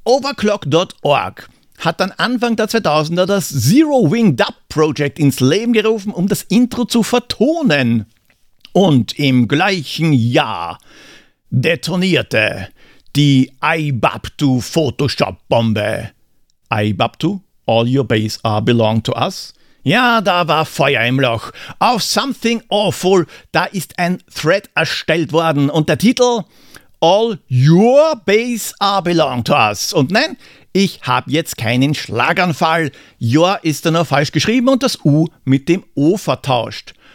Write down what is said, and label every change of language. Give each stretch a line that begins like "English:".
German: Overclock.org hat dann Anfang der 2000er das Zero Wing Dub Project ins Leben gerufen, um das Intro zu vertonen. Und im gleichen Jahr detonierte die Ibaptu Photoshop Bombe.
English: Ibaptu, all your base are belong to us.
German: Ja, da war Feuer im Loch. Auf Something Awful, da ist ein Thread erstellt worden und der Titel
English: All your base are belong to us.
German: Und nein, ich habe jetzt keinen Schlaganfall. Your ist da nur falsch geschrieben und das U mit dem O vertauscht.